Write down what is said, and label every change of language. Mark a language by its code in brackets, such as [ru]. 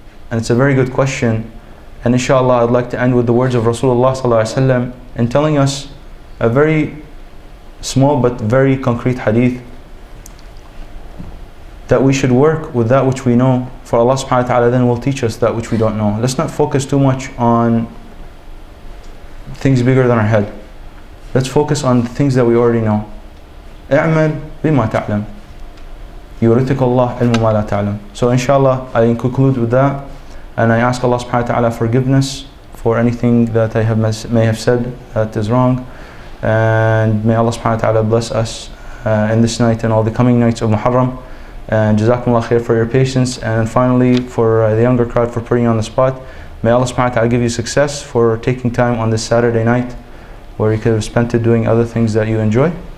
[en] And it's a very good question. And inshallah, I'd like to end with the words of Rasulullah sallallahu alayhi wa sallam in telling us a very small but very concrete hadith, that we should work with that which we know, for Allah subhanahu wa ta'ala then will teach us that which we don't know. Let's not focus too much on things bigger than our head. Let's focus on things that we already know. [ar] اعمل بما تعلم يورثك الله علم ما لا تعلم. [en] So inshallah, I conclude with that, and I ask Allah subhanahu wa ta'ala forgiveness for anything that I have may have said that is wrong. And may Allah subhanahu wa ta'ala bless us in this night and all the coming nights of Muharram. And Jazakumullah khair for your patience. And finally, for the younger crowd, for putting you on the spot, may Allah subhanahu wa ta'ala give you success for taking time on this Saturday night where you could have spent it doing other things that you enjoy.